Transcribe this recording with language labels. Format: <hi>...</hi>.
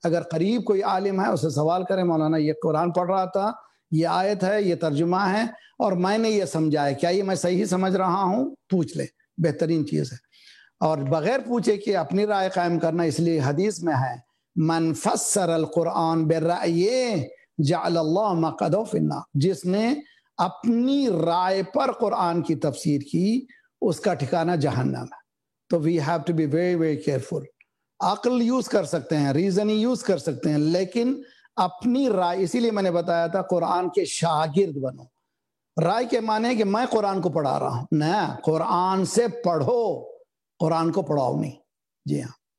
<ur>اگر قریب کوئی عالم ہے اسے سوال کریں, مولانا یہ قرآن پڑھ رہا تھا, یہ آیت ہے, یہ ترجمہ ہے, اور میں نے یہ سمجھایا, کیا یہ میں صحیح سمجھ رہا ہوں, پوچھ لیں, بہترین چیز ہے. اور بغیر پوچھے کہ اپنی رائے قائم کرنا. اس لیے حدیث میں ہے</ur> <ar>من فسر القرآن برائے جعل اللہ مقعدہ فی النار,</ar> <ur>جس نے اپنی رائے پر قرآن کی تفسیر کی اس کا ٹھکانہ جہنم ہے.</ur> <en>تو we have to be very very careful.</en> <ur>عقل یوز کر سکتے ہیں, ریزن یوز کر سکتے ہیں, لیکن اپنی رائے, اسی لیے میں نے بتایا تھا قرآن کے شاگرد بنو. رائے کے معنی کہ میں قرآن کو پڑھا رہا ہوں, نہ, قرآن سے پڑھو, قرآن کو پڑھاؤ نہیں. جی ہاں.</ur>